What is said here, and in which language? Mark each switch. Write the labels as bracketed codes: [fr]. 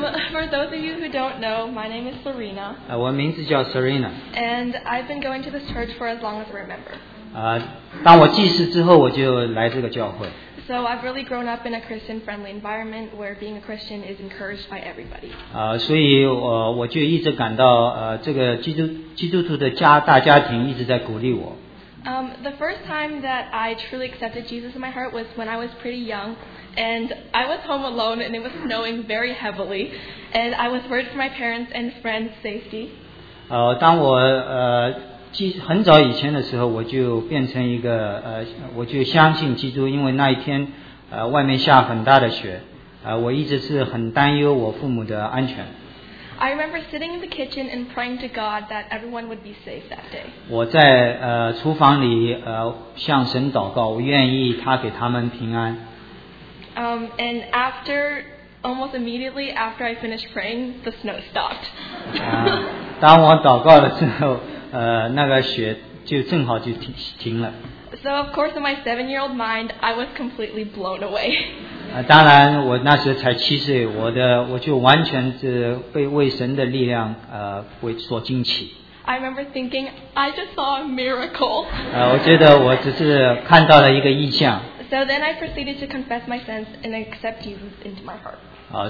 [en] For those of you who don't know, my name is Serena. [zh] 我的名字叫 Serena. [en] And I've been going to this church for as long as I remember. [zh] 当我记事之后，我就来这个教会。 [en] So I've really grown up in a Christian-friendly environment where being a Christian is encouraged by everybody. [zh] 所以我就一直感到这个基督徒的大家庭一直在鼓励我。 [en] The first time that I truly accepted Jesus in my heart was when I was pretty young, and I was home alone, and it was snowing very heavily, and I was worried for my parents and friends' safety. [zh] 当我很早以前的时候，我就变成一个我就相信基督，因为那一天外面下很大的雪，我一直是很担忧我父母的安全。 [en] I remember sitting in the kitchen and praying to God that everyone would be safe that day. [zh] 我在厨房里向神祷告，我愿意他给他们平安。 [en] And after almost immediately after I finished praying, the snow stopped. [zh] 当我祷告了之后，那个雪就正好就停了。 [en] So of course, in my seven-year-old mind, I was completely blown away. [zh] 当然，我那时才七岁，我就完全是被为神的力量为所惊奇。 [en] I remember thinking, I just saw a miracle. [zh] 我觉得我只是看到了一个异象。 [en] So then I proceeded to confess my sins and accept Jesus into my heart.